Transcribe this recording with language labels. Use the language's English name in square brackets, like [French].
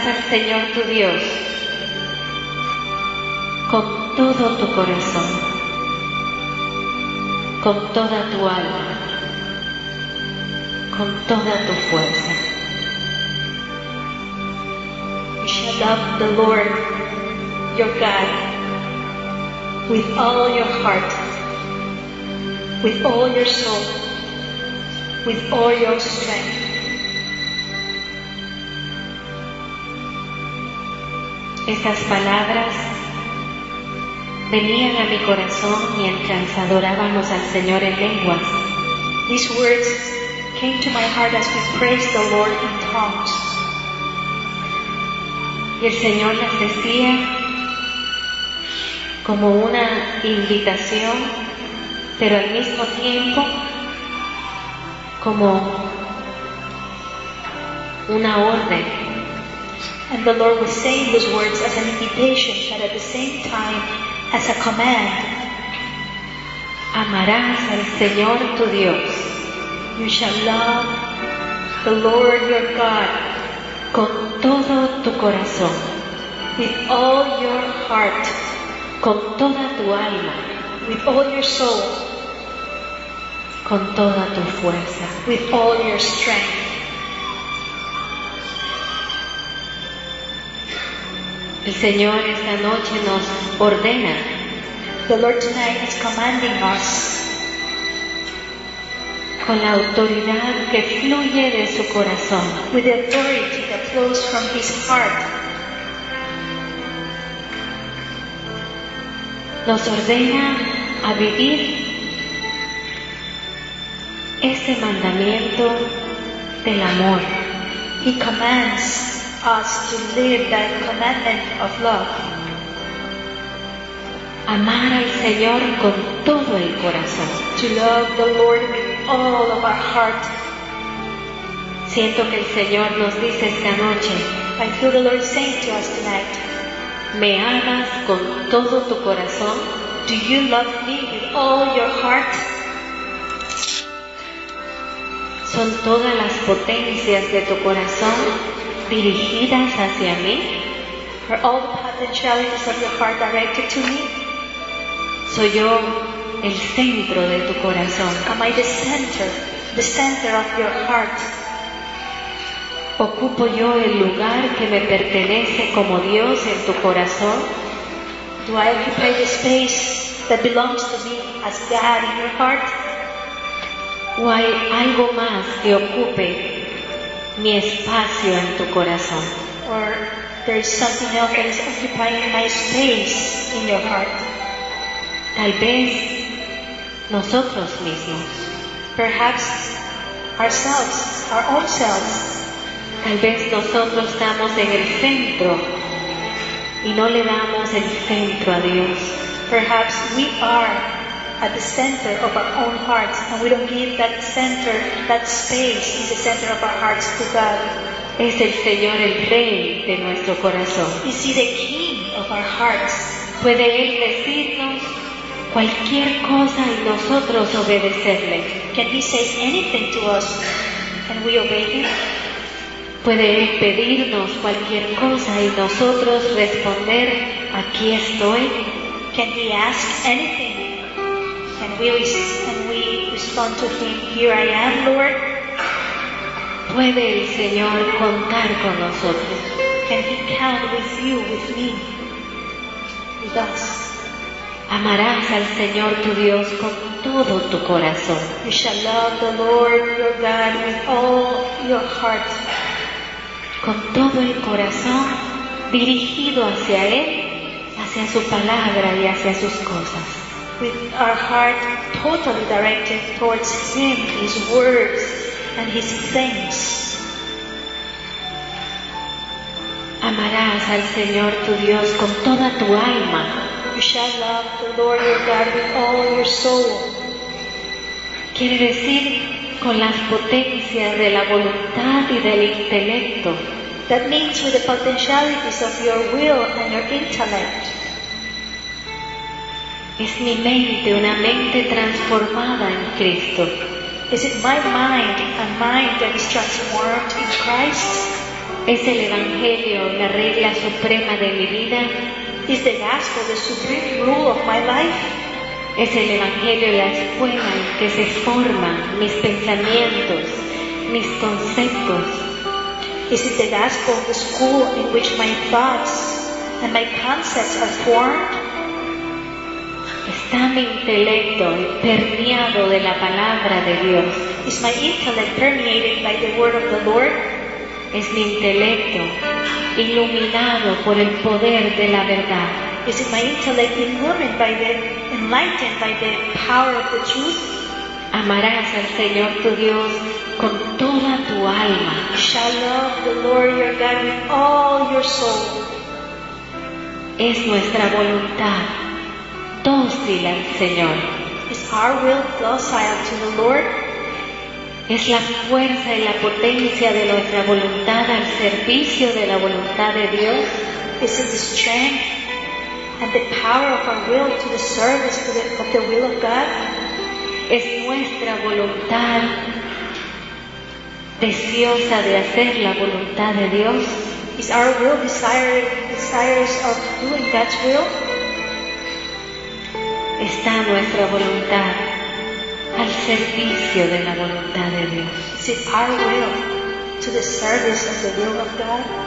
[Spanish] Señor tu Dios, con todo tu corazón, con toda tu alma, con toda tu fuerza. [English] You shall love the Lord, your God, with all your heart, with all your soul, with all your strength. [Spanish] Estas palabras venían a mi corazón mientras adorábamos al Señor en lenguas. [English] These words came to my heart as we praised the Lord in tongues. [Spanish] Y el Señor las decía como una invitación, pero al mismo tiempo como una orden. [English] And the Lord was saying those words as an invitation, but at the same time as a command. [Spanish] Amarás al Señor tu Dios. [English] You shall love the Lord your God [Spanish] con todo tu corazón. [English] With all your heart. [Spanish] Con toda tu alma. [English] With all your soul. [Spanish] Con toda tu fuerza. [English] With all your strength. [Spanish] El Señor esta noche nos ordena. [English] The Lord tonight is commanding us. [Spanish] Con la autoridad que fluye de su corazón. [English] With the authority that flows from his heart. [Spanish] Nos ordena a vivir ese mandamiento del amor. [English] He commands us to live that commandment of love. [Spanish] Amar al Señor con todo el corazón. [English] To love the Lord with all of our heart. [Spanish] Siento que el Señor nos dice esta noche. [English] I feel the Lord saying to us tonight. [Spanish] ¿Me amas con todo tu corazón? [English] Do you love me with all your heart? [Spanish] ¿Son todas las potencias de tu corazón dirigidas hacia mí? [English] Are all the potentialities of your heart directed to me? [Spanish] ¿Soy yo el centro de tu corazón? [English] Am I the center of your heart? [Spanish] ¿Ocupo yo el lugar que me pertenece como Dios en tu corazón? [English] Do I occupy the space that belongs to me as God in your heart? [Spanish] ¿O hay algo más que ocupe mi espacio en tu corazón? [English] Or there is something else that is occupying my space in your heart? [Spanish] Tal vez nosotros mismos. [English] Perhaps ourselves, our own selves. [Spanish] Tal vez nosotros estamos en el centro y no le damos el centro a Dios. [English] Perhaps we are at the center of our own hearts and we don't give that center, that space in the center of our hearts to God. [Spanish] Es el Señor el rey de nuestro corazón. [English] Is he the king of our hearts? [Spanish] ¿Puede él decirnos cualquier cosa y nosotros obedecerle? [English] Can he say anything to us and we obey him? [Spanish] ¿Puede él pedirnos cualquier cosa y nosotros responder, aquí estoy? [English] Can he ask anything? Can we respond to him, here I am, Lord? [Spanish] ¿Puede el Señor contar con nosotros? [English] Can he count with you, with me, with us? [Spanish] Amarás al Señor tu Dios con todo tu corazón. [English] You shall love the Lord your God with all your heart. [Spanish] Con todo el corazón dirigido hacia Él, hacia su palabra y hacia sus cosas. [English] With our heart totally directed towards Him, His words and His things. [Spanish] Amarás al Señor tu Dios con toda tu alma. [English] You shall love the Lord your God with all your soul. [Spanish] Quiere decir con las potencias de la voluntad y del intelecto. [English] That means with the potentialities of your will and your intellect. [Spanish] Es mi mente, una mente transformada en Cristo. [English] Is it my mind, a mind that is transformed in Christ? [Spanish] Es el Evangelio, la regla suprema de mi vida. [English] Is the gospel the supreme rule of my life? [Spanish] Es el Evangelio, la escuela en que se forman mis pensamientos, mis conceptos. [English] Is it the gospel, the school in which my thoughts and my concepts are formed? [Spanish] ¿Está mi intelecto permeado de la palabra de Dios? [English] Is my intellect permeated by the word of the Lord? [Spanish] ¿Es mi intelecto iluminado por el poder de la verdad? [English] Is it my intellect illumined by the, enlightened by the power of the truth? [Spanish] Amarás al Señor tu Dios con toda tu alma. [English] You shall love the Lord your God with all your soul. [Spanish] Es nuestra voluntad dócil al Señor. [English] Is our will docile to the Lord? [Spanish] Es la fuerza y la potencia de nuestra voluntad al servicio de la voluntad de Dios. [English] This is the strength and the power of our will to the service of the will of God. [Spanish] Es nuestra voluntad deseosa de hacer la voluntad de Dios. [English] Is our will desirous of doing God's will? [Spanish] Está nuestra voluntad al servicio de la voluntad de Dios. [English] Is it our will to the service of the will of God?